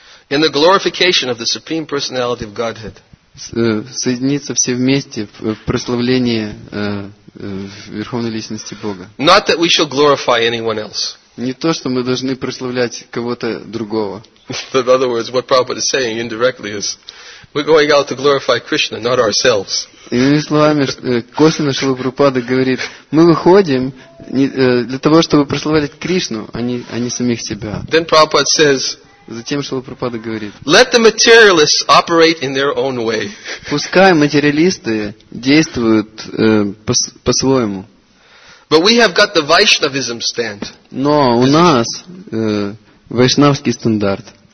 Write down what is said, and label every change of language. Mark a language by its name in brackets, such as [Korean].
[English] in the glorification of the Supreme Personality of Godhead, [Russian] соединиться все вместе в прославлении Верховной Личности Бога. [English] Not that we shall glorify anyone else. [Russian] Не то, что мы должны прославлять кого-то другого. [English] In other words, what Prabhupada is saying indirectly is, we're going out to glorify Krishna, not ourselves. [Russian] Иными словами, косвенно Шрила Прабхупада говорит, мы выходим для того, чтобы прославлять Кришну, а не самих себя. [English] Then Prabhupada says, [Russian] затем Шрила Прабхупада говорит, [English] let the materialists operate in their own way. [Russian] Пускай материалисты действуют по-своему. [English] But we have got the Vaishnavism stand. [Russian] Но у нас вайшнавский стандарт.